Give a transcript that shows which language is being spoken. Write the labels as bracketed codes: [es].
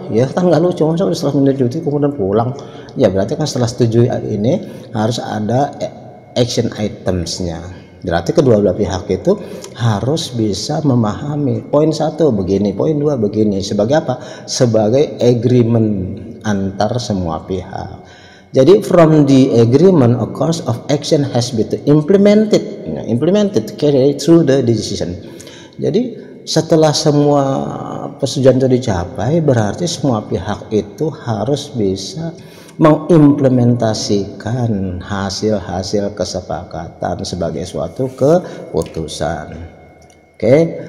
[id] Ya kan gak lucu, masa udah setelah menyetujui kemudian pulang. Ya berarti kan setelah setuju ini harus ada action itemsnya. Berarti kedua belah pihak itu harus bisa memahami poin satu begini, poin dua begini, sebagai apa? Sebagai agreement antar semua pihak. [en] Jadi from the agreement, a course of action has been implemented, carried through the decision. [id] Jadi setelah semua persetujuan itu dicapai, berarti semua pihak itu harus bisa mengimplementasikan hasil-hasil kesepakatan sebagai suatu keputusan. Oke. Okay.